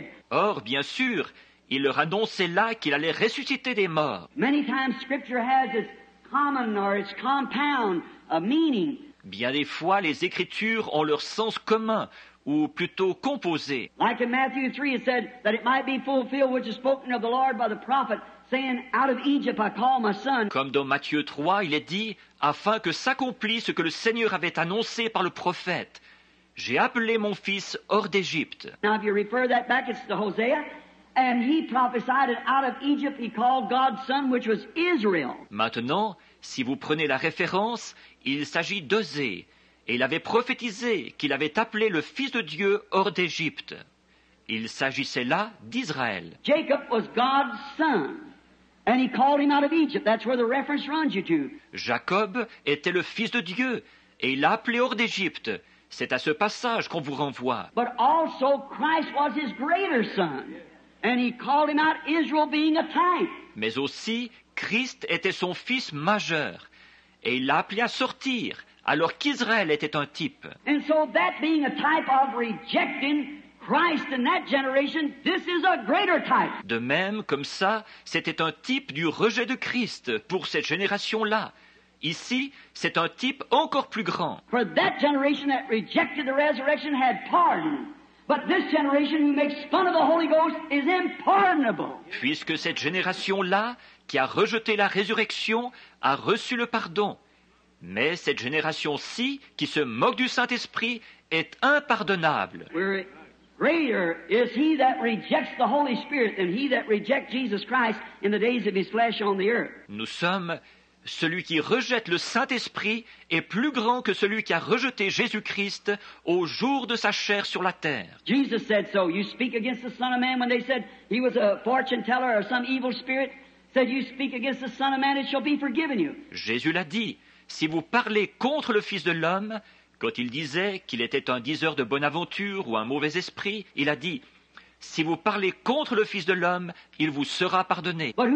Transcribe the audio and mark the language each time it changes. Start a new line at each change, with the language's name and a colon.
French: Or, bien sûr, il leur annonçait là qu'il allait ressusciter des morts.
English: Many times scripture has its common or its compound meaning.
French: Bien des fois, les Écritures ont leur sens commun, ou plutôt composé.
English: Like in Matthew 3, it said that it might be fulfilled which is spoken of the Lord by the prophet, saying, out of Egypt I call my son.
French: Comme dans Matthieu 3, il est dit, afin que s'accomplisse ce que le Seigneur avait annoncé par le prophète. J'ai appelé mon fils hors d'Égypte.
English: Now if you refer that back, it's to Hosea. And he prophesied it out of Egypt he called God's son, which was Israel.
French: Maintenant, si vous prenez la référence, il s'agit d'Osée. Et il avait prophétisé qu'il avait appelé le Fils de Dieu hors d'Égypte. Il s'agissait là d'Israël.
English: Jacob was God's son, and he called him out of Egypt. That's where the reference runs you to.
French: Jacob était le Fils de Dieu, et il l'a appelé hors d'Égypte. C'est à ce passage qu'on vous renvoie.
English: But also Christ was his greater son, and he called him out Israel being a type.
French: Mais aussi, Christ était son fils majeur, et il l'a appelé à sortir, alors qu'Israël était un type.
English: And so that being a type of rejecting Christ in that generation, this is a greater type.
French: De même, comme ça, c'était un type du rejet de Christ pour cette génération-là. Ici, c'est un type encore plus grand.
English: For that generation that rejected the resurrection had pardon. But this generation who makes fun of the Holy Ghost is impardonable.
French: Puisque cette génération-là, qui a rejeté la résurrection, a reçu le pardon. Mais cette génération-ci, qui se moque du Saint-Esprit, est impardonnable.
English: Greater is he that rejects the Holy Spirit than he that rejects Jesus Christ in the days of his flesh on the earth.
French: Nous sommes, celui qui rejette le Saint-Esprit est plus grand que celui qui a rejeté Jésus-Christ au jour de sa chair sur la terre.
English: Jesus said so. You speak against the Son of Man when they said he was a fortune teller or some evil spirit. Said you speak against the Son of Man, it shall be forgiven you.
French: Jésus l'a dit. Si vous parlez contre le Fils de l'homme, quand il disait qu'il était un diseur de bonne aventure ou un mauvais esprit, il a dit, si vous parlez contre le Fils de l'homme, il vous sera pardonné.